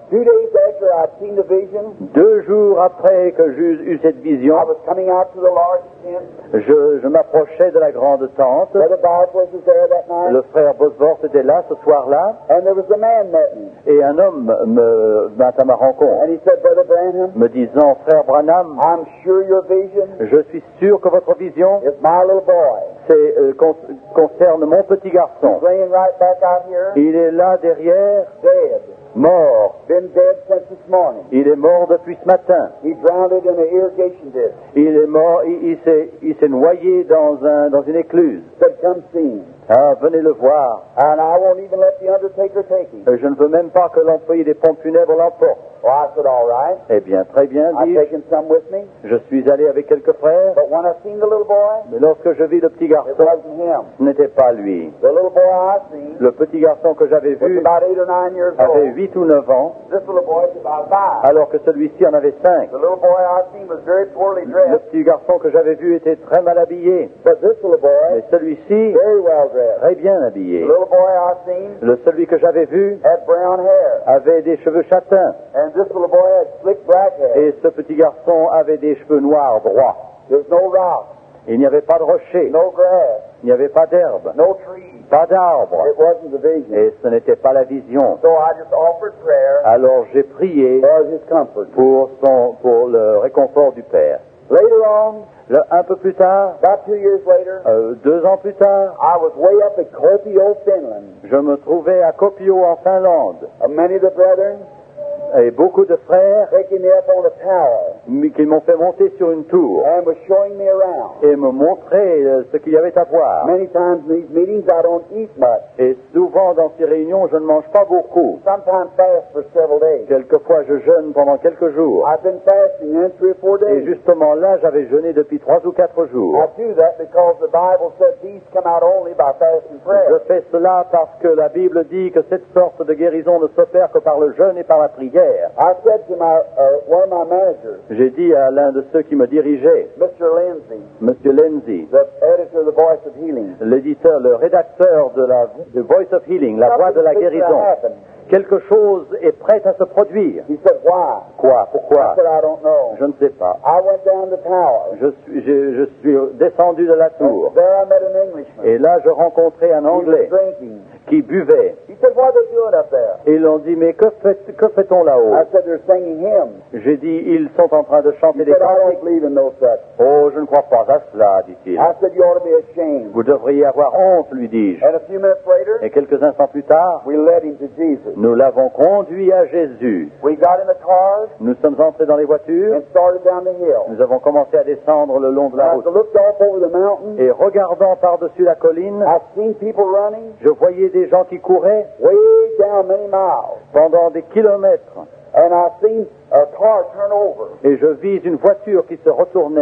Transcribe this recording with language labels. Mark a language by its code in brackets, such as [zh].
[en] 2 days after I'd seen the vision, [fr] 2 jours après que j'eus eu cette vision, [en] I was coming out to the large tent. [fr] Je m'approchais de la grande tente. [en] Brother Bosworth was there that night. [fr] Le frère Bosworth était là ce soir-là. [en] And there was a man met me. [fr] Et un homme me vint à ma rencontre. [en] And he said, Brother Branham, [fr] me disant, frère Branham, [en] I'm sure your vision, [fr] je suis sûr que votre vision, [en] is my little boy. [fr] C'est concerne mon petit garçon. [en] He's laying right back out here. [fr] Il est là derrière. [en] Dead. [fr] Mort. [en] Been dead since this morning. [fr] Il est mort depuis ce matin. [en] He drowned in an irrigation ditch. [fr] Il est mort. Il s'est noyé dans une écluse. [en] Said, come see. [fr] Ah, venez le voir. [en] And I won't even let the undertaker take him. [fr] Je ne veux même pas que l'employé des pompes funèbres l'emporte. [en] Well, I said, all right. [fr] Eh bien, très bien, dis-je. [en] I've taken some with me. [fr] Je suis allé avec quelques frères. [en] But when I seen the little boy, [fr] mais lorsque je vis le petit garçon, [en] it wasn't him. [fr] Ce n'était pas lui. [en] The little boy I seen, [fr] le petit garçon que j'avais vu, [en] was about 8 or 9 years old. [fr] Avait 8 ou 9 ans. [en] This little boy was about 5. [fr] Alors que celui-ci en avait 5. [en] The little boy I seen was very poorly dressed. [fr] Le petit garçon que j'avais vu était très mal habillé. [en] But this little boy, [fr] mais celui-ci, [en] very well dressed. [fr] Très bien habillé. [en] The little boy I seen, [fr] le celui que j'avais vu, [en] had brown hair. [fr] Avait des cheveux châtains. [en] And this little boy had slick black hair. [fr] Et ce petit garçon avait des cheveux noirs droits. [en] There's no rock. [fr] Il n'y avait pas de rocher. [en] No grass. [fr] Il n'y avait pas d'herbe. [en] No trees. [fr] Pas d'arbres. [en] It wasn't the vision. [fr] Et ce n'était pas la vision. [en] So I just offered prayer. [fr] Alors j'ai prié [en] for his comfort. [fr] Pour le réconfort du père. [en] Later on, [fr] un peu plus tard, [en] about 2 years later, [fr] 2 ans plus tard, [en] I was way up at Kuopio, Finland. [fr] Je me trouvais à Kuopio en Finlande. [en] Many of the brethren. [fr] Et beaucoup de frères qui m'ont fait monter sur une tour [en] and were showing me around. [fr] Et me montrer ce qu'il y avait à voir. [en] Many times in these meetings I don't eat much. [fr] Et souvent dans ces réunions, je ne mange pas beaucoup. [en] Sometimes fast for several days. [fr] Quelquefois, je jeûne pendant quelques jours. [en] I've been fasting in 3 or 4 days. [fr] Et justement là, j'avais jeûné depuis 3 ou 4 jours. [en] I do that because the Bible said these come out only by fast and prayer. [fr] Je fais cela parce que la Bible dit que cette sorte de guérison ne s'opère que par le jeûne et par la prière. [en] I said to one of my managers, [fr] j'ai dit à l'un de ceux qui me dirigeaient, [en] Mr. Lindsay, the editor of the Voice of Healing, [fr] l'éditeur, le rédacteur de la de Voice of Healing, la voix de la guérison, quelque chose est prêt à se produire. [en] He said, why? [fr] Quoi? Pourquoi? [en] I said, I don't know. [fr] Je ne sais pas. [en] I went down the tower. [fr] Je suis descendu de la tour. [en] There I met an Englishman. [fr] Et là, je rencontrais un Anglais. [en] He was drinking. [fr] Qui buvait. [en] He said, what are they doing up there? [fr] Et ils ont dit, mais que fait-on là-haut? [en] I said, they're singing hymns. [fr] J'ai dit, ils sont en train de chanter des [en] cantiques. I don't believe in those such. [fr] Oh, je ne crois pas à cela, dit-il. [en] I said, you ought to be ashamed. [fr] Vous devriez avoir honte, lui dis-je. [en] And a few minutes later, [fr] et quelques instants plus tard, [en] we led him to Jesus. [fr] Nous l'avons conduit à Jésus. [en] We got in the cars, [fr] nous sommes entrés dans les voitures [en] and started down the hill. [fr] Nous avons commencé à descendre le long de la route. [en] I looked off over the mountain, [fr] et regardant par-dessus la colline, [en] I seen people running, [fr] je voyais des gens qui couraient [en] way down many miles. [fr] Pendant des kilomètres. [en] And I seen a car turn over. [fr] Et je vis une voiture qui se retournait.